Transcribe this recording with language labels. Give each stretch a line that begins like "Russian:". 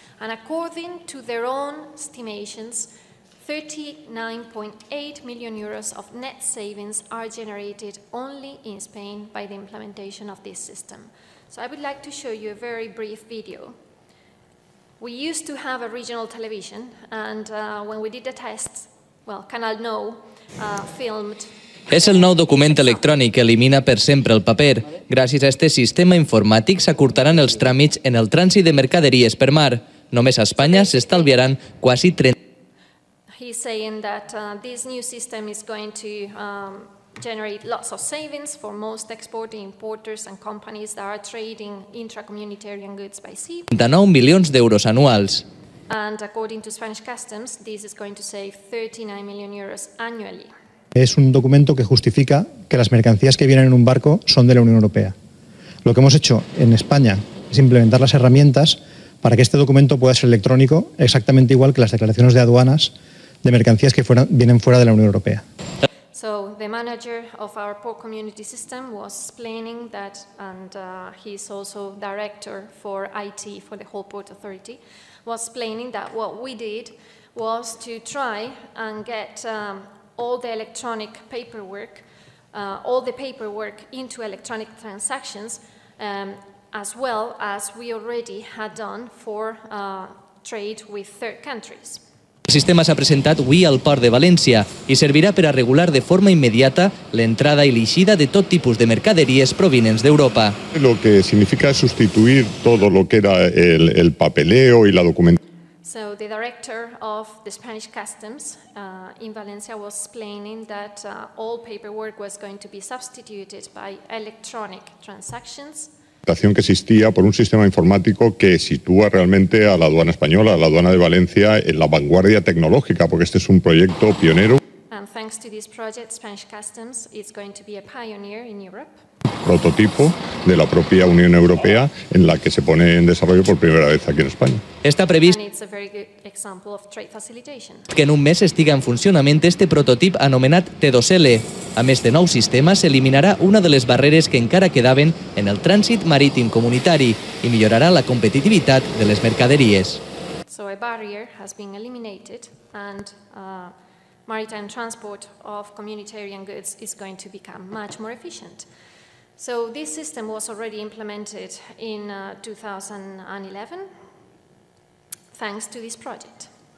English: And according to their own estimations, 39.8 million euros of net savings are generated only in Spain by the implementation of this system. So I would like to show you a very brief video. We used to have a regional television, and when we did the tests, well, Canal Nou filmed.
Catalan: És el nou document electrònic que elimina per sempre el paper. Gràcies a este sistema informàtic s'acurtaran els tràmits en el trànsit de mercaderies per mar. Només a Espanya s'estalviaran quasi 30...
English: He's saying that this new system is going to generate lots of savings for most exporting importers and companies that are trading intracommunitarian goods by sea.
Catalan: 39 milions d'euros anuals.
English: And according to Spanish customs, this is going to save 39 million euros annually.
Spanish: Es un documento que justifica que las mercancías que vienen en un barco son de la Unión Europea. Lo que hemos hecho en España es implementar las herramientas para que este documento pueda ser electrónico exactamente igual que las declaraciones de aduanas de mercancías que vienen fuera de la Unión Europea.
English: So the manager of our port community system was explaining that, and he's also director for IT for the whole port authority, was explaining that what we did was to try and get all the electronic paperwork, all the paperwork into electronic transactions, as well as we already had done for trade with third countries.
Catalan: El sistema s'ha presentat avui al port de València i servirà per a regular de forma immediata l'entrada i l'eixida de tot tipus de mercaderies provenents d'Europa.
Spanish: Lo que significa sustituir todo lo que era el papeleo y la documentación.
English: So the director of the Spanish customs in Valencia was explaining that all paperwork was going to be substituted by electronic transactions.
Spanish: Que existía por un sistema informático que sitúa realmente a la aduana española, a la aduana de Valencia, en la vanguardia tecnológica, porque este es un proyecto pionero.
English: And thanks to this project, Spanish Customs is going to be a pioneer in Europe.
Spanish: Prototipo de la propia Unión Europea en la que se pone en desarrollo por primera vez aquí en España. Está previsto.
English: And it's a very good example of trade facilitation.
Catalan: Que en un mes estiga en funcionamiento este prototipo anomenat T2L. A més de nou sistema, s'eliminarà una de les barreres que encara quedaven en el trànsit marítim comunitari i millorarà la competitivitat de les mercaderies.
English: So a barrier has been eliminated and maritime transport of communitarian goods is going to become much more efficient. So this system was already implemented in 2011 thanks to this project.